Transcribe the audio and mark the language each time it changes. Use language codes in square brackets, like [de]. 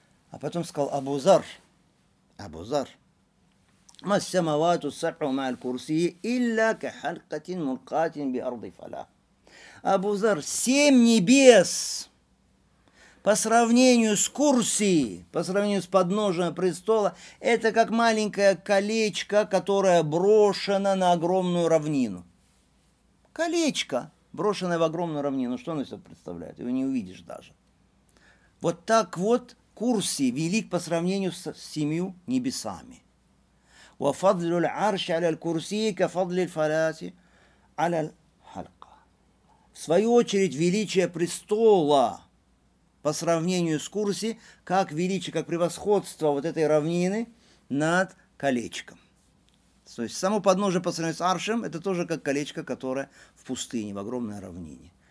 [ru] А потом сказал Абу Зарр: «Абу Зарр, Абу Зарр, семь небес по сравнению с курси, по сравнению с подножием престола, это как маленькое колечко, которое брошено на огромную равнину». Колечко, брошенное в огромную равнину. Что оно себе представляет? Его не увидишь даже. Вот так вот курси велик по сравнению с семью небесами. [ar] وفضل العرش على الكرسي كفضل الفلاتي على الحلقة. [ru] В свою очередь, величие престола по сравнению с курси, как величие, как превосходство вот этой равнины над колечком. То есть само подножие по сравнению с аршем, это тоже как колечко, которое в пустыне, в огромной равнине.